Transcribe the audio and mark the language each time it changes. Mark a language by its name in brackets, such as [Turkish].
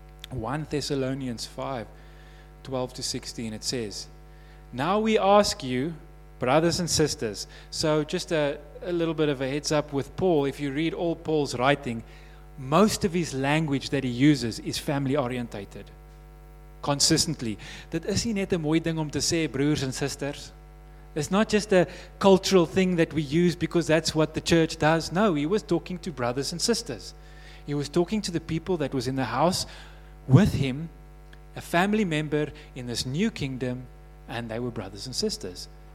[English] 1 Thessalonians 5:12 to 16, it says, now we ask you, brothers and sisters, so just a little bit of a heads up with Paul, if you read all Paul's writing, most of his language that he uses is family orientated, consistently. [Afrikaans] Dit is nie net 'n mooi ding om te sê, broers [English] and sisters. It's not just a cultural thing that we use because that's what the church does. No, he was talking to brothers and sisters. He was talking to the people that was in the house with him, a family member in this new kingdom, and they were brothers and sisters.